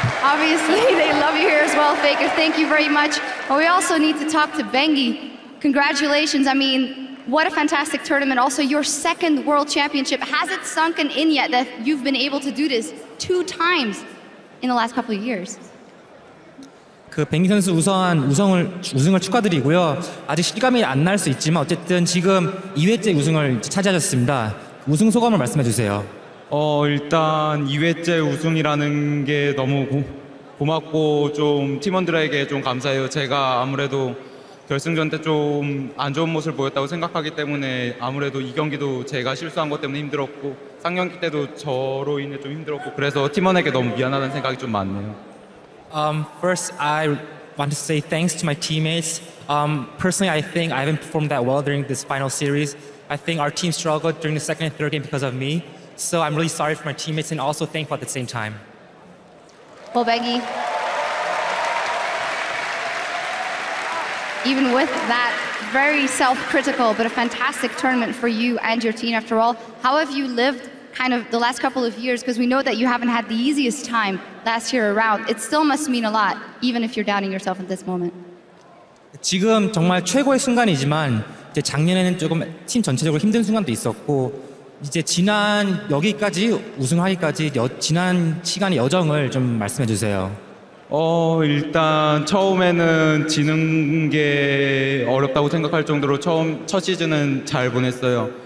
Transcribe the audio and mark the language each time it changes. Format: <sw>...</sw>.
<en>Obviously, they love you here as well, Faker. Thank you very much. But we also need to talk to Bengi. Congratulations. I mean, what a fantastic tournament. Also, your second world championship. Has it sunken in yet that you've been able to do this two times in the last couple of years?</en> <ko>그 벵기 선수 우선 우승을 축하드리고요. 아직 실감이 안 날 수 있지만 어쨌든 지금 2회째 우승을 차지하셨습니다. 우승 소감을 말씀해 주세요. 일단 2회째 우승이라는 게 너무 고맙고 좀 팀원들에게 좀 감사해요. 제가 아무래도 결승전 때 좀 안 좋은 모습을 보였다고 생각하기 때문에 아무래도 이 경기도 제가 실수한 것 때문에 힘들었고 3경기 때도 저로 인해 좀 힘들었고 그래서 팀원에게 너무 미안하다는 생각이 좀 많네요.</ko> <en>First, I want to say thanks to my teammates. Personally, I think I haven't performed that well during this final series. I think our team struggled during the second and third game because of me. So I'm really sorry for my teammates and also thankful at the same time. Well, Bengi, even with that very self-critical but a fantastic tournament for you and your team after all, how have you lived kind of the last couple of years? Because we know that you haven't had the easiest time last year around. It still must mean a lot, even if you're doubting yourself at this moment.</en> <ko>지금 정말 최고의 순간이지만 이제 작년에는 조금 팀 전체적으로 힘든 순간도 있었고 이제 지난 여기까지 우승하기까지 지난 시간의 여정을 좀 말씀해 주세요. 일단 처음에는 지는 게 어렵다고 생각할 정도로 첫 시즌은 잘 보냈어요.</ko>